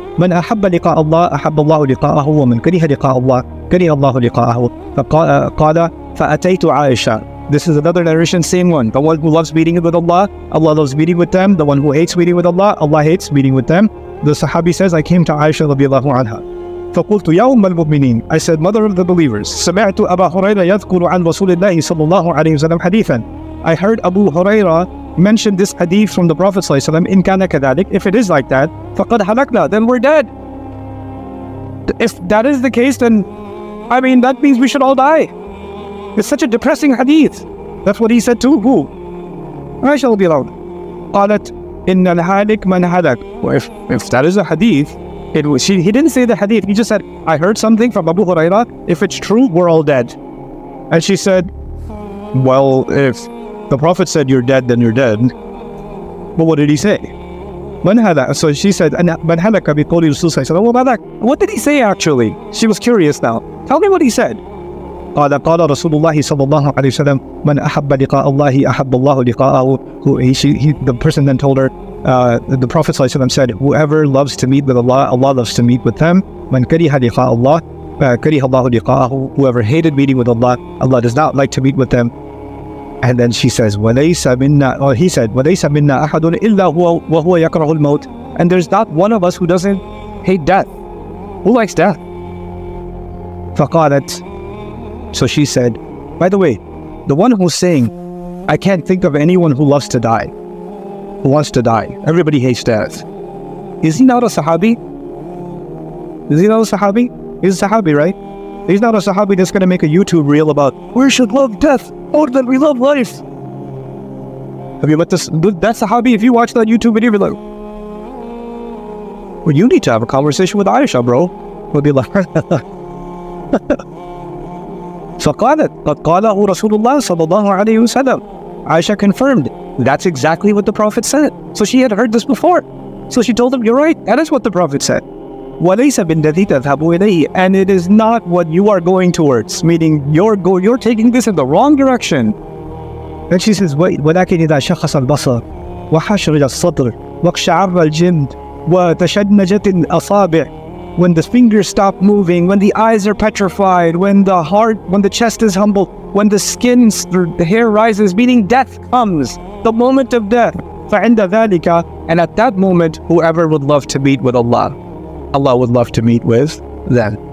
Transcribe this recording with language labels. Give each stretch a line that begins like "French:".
Arabic: مَنْ أَحَبَّ لِقَاءَ اللَّهِ أَحَبَّ اللَّهُ لِقَاءَهُ. وَمَنْ كَرِهَ لِقَاءَ اللَّهِ كَرِهَ اللَّهُ لِقَاءَهُ. فَقَالَ فَأَتَيْتُ عَائِشَةَ.
English: This is another narration, same one. The one who loves meeting with Allah, Allah loves meeting with them. The one who hates meeting with Allah, Allah hates meeting with them. The Sahabi says, I came to Aisha radiallahu anha.
Arabic: فَقُلْتُ يَوْمَ الْمُؤْمِنِينَ.
English: I said, Mother of the Believers,
Arabic: سَمِعْتُ أَبَا هُرَيْرَ يَذْكُرُ عَنْ رَسُولِ اللَّهِ صَلَى اللَّهُ عَلَيْهِ وَسَلَّمَ حَدِيثًا.
English: I heard Abu Huraira mention this hadith from the Prophet sallallahu alayhi wa sallam.
Arabic: إِنْ كَانَ كَذَلِكَ.
English: If it is like that,
Arabic: فَقَدْ هَلَكْنَا.
English: Then we're dead. If that is the case, then, I mean, that means we should all die. It's such a depressing hadith. That's what he said to who?
Arabic: Aisha radiallahu anha. قَالَتْ إِنَّ الْهَالِكَ مَنْ هَلَكَ.
English: Well, if that is a hadith, he didn't say the hadith. He just said, I heard something from Abu Huraira. If it's true, we're all dead. And she said, well, if the Prophet said you're dead, then you're dead. But what did he say?
Arabic: مَنْ هَلَكَ.
English: So she said,
Arabic: مَنْ هَلَكَ بِقَوْلِ رَسُولِ صَلَّى اللَّهُ عَلَيْهِ وَسَلَّمَ.
English: What did he say, actually? She was curious now. Tell me what he said.
Arabic: قال رسول الله صلى الله عليه وسلم من أحب لقاء الله أحب الله لقاءه.
English: The person then told her, the Prophet صلى الله عليه وسلم said, whoever loves to meet with Allah, Allah loves to meet with them.
Arabic: من كره لقاء الله كره الله لقاءه.
English: Whoever hated meeting with Allah, Allah does not like to meet with them. And then she says,
Arabic: وليس منا,
English: or he said,
Arabic: وليس منا أحد إلا هو وهو يكره الموت.
English: And there's not one of us who doesn't hate death. Who likes death?
Arabic: فقالت.
English: So she said, by the way, the one who's saying, I can't think of anyone who loves to die, who wants to die, everybody hates death, is he not a Sahabi? Is he not a Sahabi? He's a Sahabi, right? He's not a Sahabi that's going to make a YouTube reel about, we should love death more than we love life. Have you met that Sahabi? If you watch that YouTube video, you'll be like, well, you need to have a conversation with Aisha, bro. We'll be like,
Arabic: فَقَالَتْ قَدْ قَالَهُ رَسُولُ اللَّهِ صَلَى اللَّهُ عَلَيْهُ وَسَلَمْ.
English: Aisha confirmed, that's exactly what the Prophet said. So she had heard this before. So she told him, you're right, that is what the Prophet said.
Arabic: وَلَيْسَ بِالَّذِي تَذْهَبُ إِلَيْهِ.
English: And it is not what you are going towards. Meaning, you're taking this in the wrong direction. Then she says, wait,
Arabic: وَلَكِنْ إِذَا شَخَصَ الْبَصَرِ وَحَشْرِجَ الصَّدْرِ وَقْشَعَرَّ الْجِمْدِ وَتَشَنَّجَتِ الْأَصَابِعِ.
English: When the fingers stop moving, when the eyes are petrified, when the heart, when the chest is humbled, when the skin, the hair rises, meaning death comes, the moment of death.
Arabic: فَعِنْدَ ذَلِكَ.
English: And at that moment, whoever would love to meet with Allah, Allah would love to meet with them.